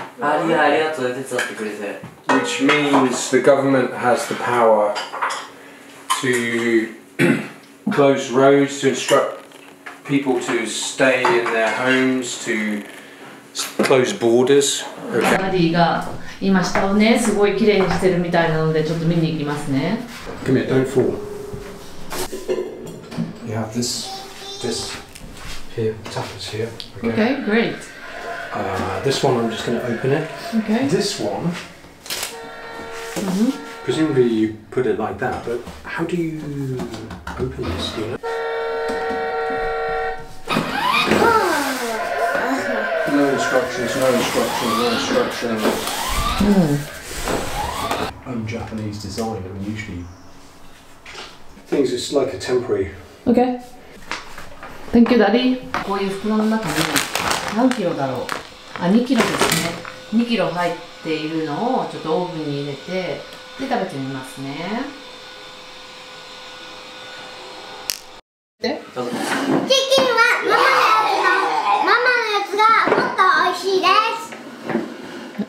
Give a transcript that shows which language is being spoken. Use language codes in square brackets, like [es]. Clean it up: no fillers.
[ja] ありがとう、手伝ってくれて。 [en] Which means the government has the power to close roads, to instruct people to stay in their homes, to close borders. [ja] ガーディが今下をね、すごい綺麗にしてるみたいなので、ちょっと見に行きますね。 [en] Come here, don't fall. You have this here, tappers here. Okay, great. This one, I'm just going to open it. Okay. This one,、mm-hmm. presumably you put it like that, but how do you open this, do you know? No instructions. Mm. I'm Japanese design, I mean, usually things, it's like a temporary. Okay. Thank you, Daddy. [ja] こういう袋の中に何キロだろう?あ、2キロですね。 2キロ入っているのをちょっとオーブンに入れて、で、食べてみますね。で、チキンはママのやつがもっと美味しいです。